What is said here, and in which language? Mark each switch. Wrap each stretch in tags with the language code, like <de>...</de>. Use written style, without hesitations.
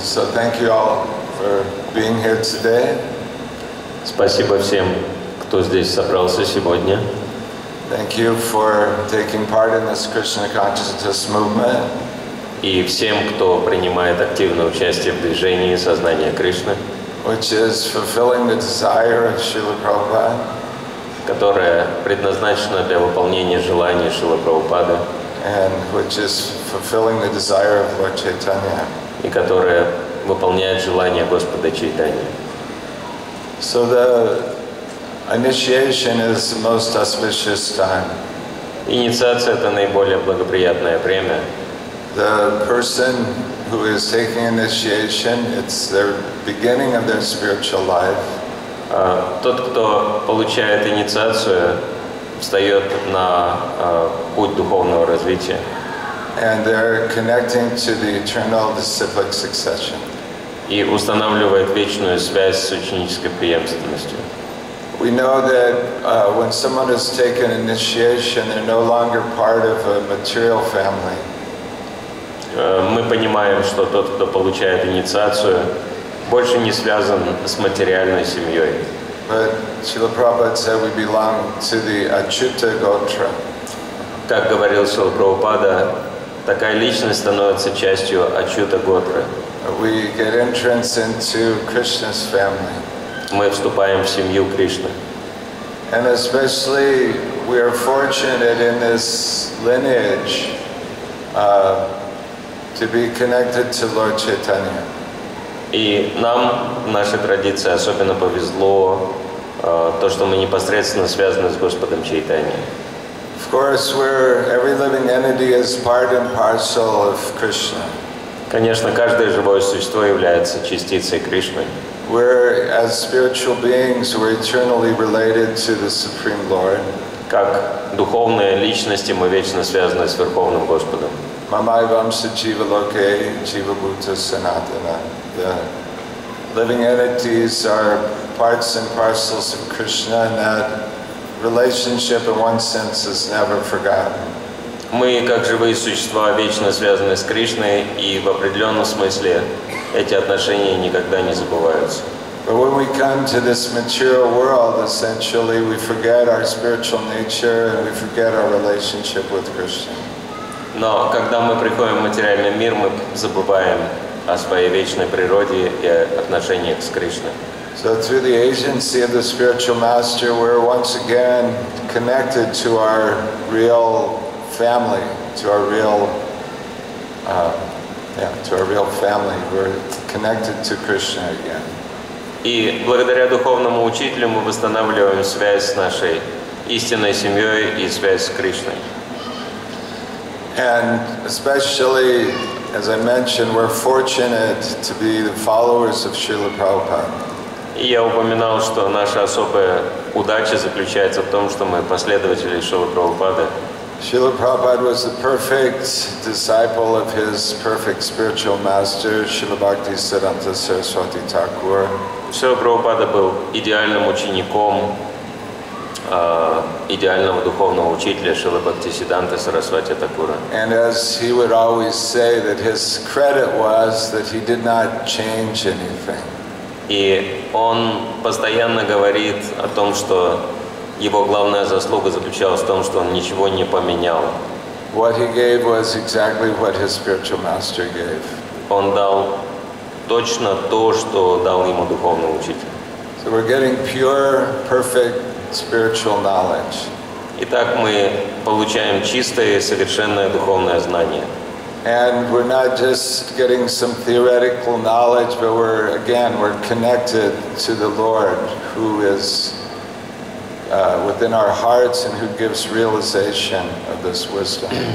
<en>So thank you all for being here today.</en> <ru>Спасибо всем, кто здесь собрался сегодня.</ru> <en>Thank you for taking part in this Krishna consciousness movement.</en> <ru>И всем, кто принимает активное участие в движении сознания Кришны.</ru> <en>Which is fulfilling the desire of Srila Prabhupada.</en> <ru>Которое предназначено для выполнения желаний Шрилы Прабхупады.</ru> <en>And which is fulfilling the desire of Lord Chaitanya.</en> <ru>И которое выполняет желание Господа Чайтаньи.</ru> <en>So the initiation is the most auspicious time.</en> <ru>Инициация это наиболее благоприятное время.</ru> <en>The person who is taking initiation, it's the beginning of their spiritual life.</en> <ru>Тот, кто получает инициацию, встает на путь духовного развития.</ru> <en>And they're connecting to the eternal disciplic succession.</en> <ru>И устанавливает вечную связь с ученической преемственностью.</ru> <en>We know that when someone has taken initiation, they're no longer part of a material family.</en> <ru>Мы понимаем, что тот, кто получает инициацию, больше не связан с материальной семьей.</ru> <en>But Srila Prabhupada said we belong to the Achyuta Gotra.</en> <ru>Как говорил Srila Prabhupada, такая личность становится частью Ачюта Готры.</ru> <en>We get entrance into Krishna's family.</en> <ru>Мы вступаем в семью Кришны.</ru> <en>And especially we are fortunate in this lineage to be connected to Lord Chaitanya.</en> <ru>И нам в нашей традиции особенно повезло то, что мы непосредственно связаны с Господом Чайтаньей.</ru> <en>Of course, we're every living entity is part and parcel of Krishna.</en> <ru>Конечно, каждое живое существо является частицей Кришны.</ru> <en>We're, as spiritual beings, we're eternally related to the Supreme Lord.</en> <ru>Как духовные личности, мы вечно связаны с Верховным Господом.</ru> <sa>Мамай вамса чива локе, чива бута санатана.</sa> <en>The living entities are parts and parcels of Krishna, and that relationship, in one sense, is never forgotten.</en> <ru>Мы, как живые существа, вечно связаны с Кришной, и в определенном смысле эти отношения никогда не забываются.</ru> <en>But when we come to this material world, essentially, we forget our spiritual nature and we forget our relationship with Krishna.</en> <ru>Но когда мы приходим в материальный мир, мы забываем о своей вечной природе и отношениях с Кришной.</ru> <en>So through the agency of the spiritual master, we're once again connected to our real family, to our real to our real family. We're connected to Krishna again.</en> <ru>И благодаря духовному учителю мы восстанавливаем связь с нашей истинной семьей и связь с Кришной.</ru> <en>And especially As I mentioned, we're fortunate to be the followers of Srila Prabhupada.</en> <ru>И я упоминал, что наша особая удача заключается в том, что мы последователи Шрилы Прабхупады.</ru> <en>Srila Prabhupada was the perfect disciple of his perfect spiritual master, Srila Bhakti Siddhanta Saraswati Thakur.</en> <ru>Srila Prabhupada был идеальным учеником идеального духовного учителя Шрилы Бхактисиддханты Сарасвати Такура.</ru> <en>And as he would always say, that his credit was that he did not change anything.</en> <ru>И он постоянно говорит о том, что его главная заслуга заключалась в том, что он ничего не поменял.</ru> <en>What he gave was exactly what his spiritual master gave.</en> <ru>Он дал точно то, что дал ему духовный учитель.</ru> <en>So we're getting pure, perfect spiritual knowledge.</en> <ru>Итак, мы получаем чистое и совершенное духовное знание.</ru> <en>And we're not just getting some theoretical knowledge, but we're, again, we're connected to the Lord who is within our hearts and who gives realization of this wisdom.</en>